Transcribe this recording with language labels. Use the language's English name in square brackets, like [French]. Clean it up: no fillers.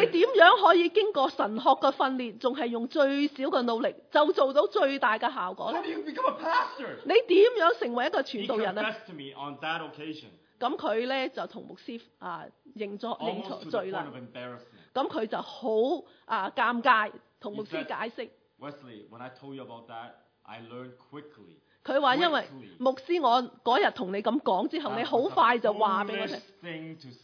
[Cantonese] 你點樣可以經過神學嘅訓練，仲係用最少嘅努力就做到最大嘅效果咧 [English] ？How do you become a pastor? [Cantonese] 你點樣成為一個傳道人咧 [English] ？He confessed to me on that occasion. [Cantonese] 咁佢咧就同牧師啊認錯罪啦。咁佢就好尷尬，同牧師解釋。 [English] Wesley, when I told you about that, I learned quickly. [Cantonese] 佢話因為牧師我嗰日同你咁講之後，你好快就話俾我聽。